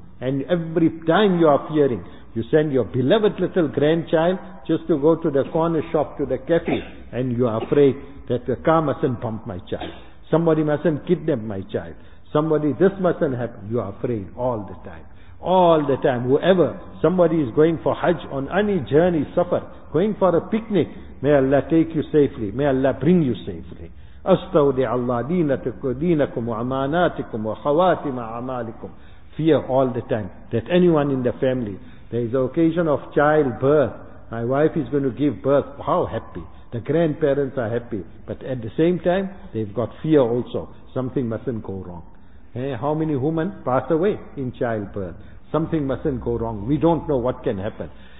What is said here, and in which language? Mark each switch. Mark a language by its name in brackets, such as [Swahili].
[English] And every time you are fearing, you send your beloved little grandchild just to go to the corner shop, to the cafe, and you are afraid that the car mustn't bump my child. Somebody mustn't kidnap my child. Somebody, this mustn't happen. You are afraid all the time. All the time. Whoever, somebody is going for Hajj on any journey, suffer, going for a picnic, may Allah take you safely. May Allah bring you safely. [Arabic] أستودع الله دينكم وأماناتكم وخواتم أعمالكم. [English] Fear all the time that anyone in the family, there is an occasion of childbirth, my wife is going to give birth, how happy. The grandparents are happy, but at the same time, they've got fear also, something mustn't go wrong. How many women pass away in childbirth? Something mustn't go wrong, we don't know what can happen.